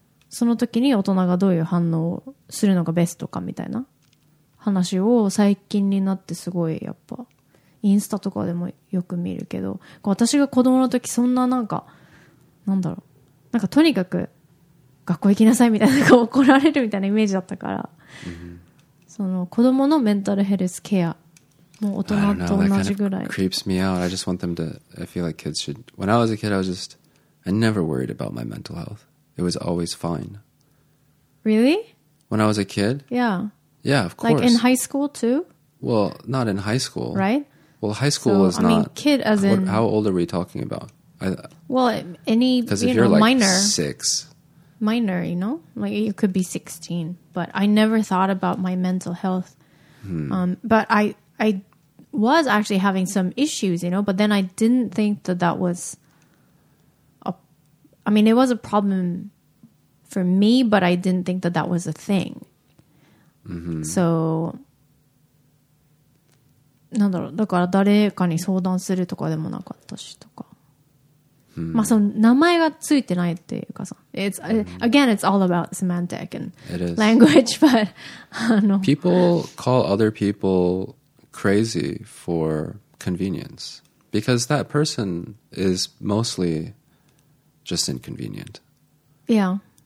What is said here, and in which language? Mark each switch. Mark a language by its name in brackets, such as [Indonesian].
[Japanese] その時に大人がどういう反応をするのがベストかみたいな話を最近になってすごいやっぱインスタとかでもよく見るけど、私が子供の時そんななんかなんだろうなんかとにかく学校行きなさいみたいなのが怒られるみたいなイメージだったから、 mm-hmm. その子供のメンタルヘルスケア [English] I don't know, that kind of creeps me out. I just want them to, I feel like kids should, when I was a kid, I never worried about my mental health. It was always fine. Really? When I was a kid? Yeah. Yeah, of course. Like in high school too? Well, not in high school. Right? Well, high school was not. I mean, kid as in. How old are we talking about? Well, any, you know, Because if you're like six. Minor, you know? Like you could be 16. But I never thought about my mental health. But I was actually having some issues, you know, but then I didn't think that was a, I mean, it was a problem for me, but I didn't think that was a thing. Mm-hmm. [Japanese] So, なんだろう、だから誰かに相談するとかでもなかったしとか。 Hmm. まあその名前がついてないっていうかさ。 [English] It's, mm-hmm. Again, it's all about semantic and language, but, People call other people... crazy for convenience because that person is mostly just inconvenient. Yeah.